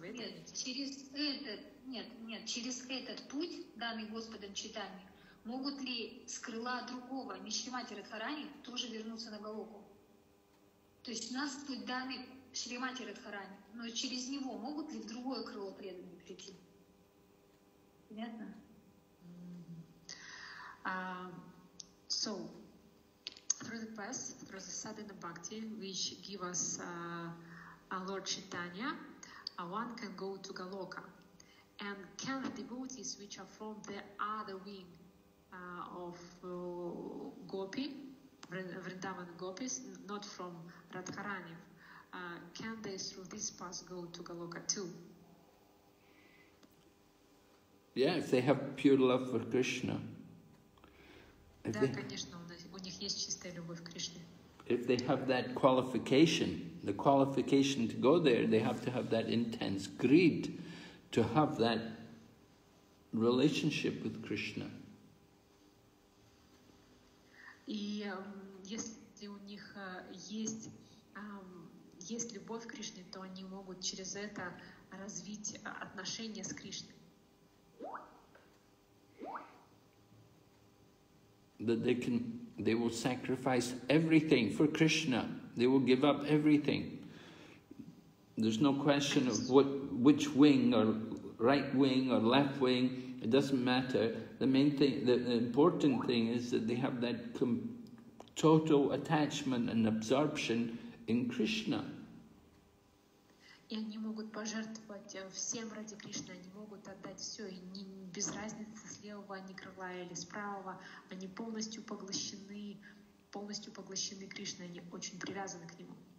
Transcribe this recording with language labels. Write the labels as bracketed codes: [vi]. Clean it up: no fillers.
[ru] Нет, через этот, нет, через этот путь, данный Господом Чайтанья, могут ли с крыла другого, не Шримати Радхарани, тоже вернуться на Голоку? То есть у нас путь данный Шримати Радхарани, но через него могут ли в другое крыло преданные прийти? Понятно? [en] So, through the past, through the sadhana bhakti, which give us our Lord Chaitanya, one can go to Galoka. And can the devotees which are from the other wing of Gopi, Vrindavan Gopis, not from Radharani, can they through this path go to Galoka too? Yeah, if they have pure love for Krishna. [ru] Да, конечно, у них есть чистая любовь к Кришне. [en] If they have that qualification, the qualification to go there, they have to have that intense greed to have that relationship with Krishna. [ru] И если у них есть любовь к Кришне, то они могут через это развить отношения с Кришной. [en] That they will sacrifice everything for Krishna. They will give up everything. There's no question of which wing or right wing or left wing. It doesn't matter. The main thing, the important thing is that they have that total attachment and absorption in Krishna. [ru] И они могут пожертвовать всем ради Кришны, они могут отдать все, и не, без разницы, с левого они крыла или с правого, они полностью поглощены Кришной, они очень привязаны к Нему.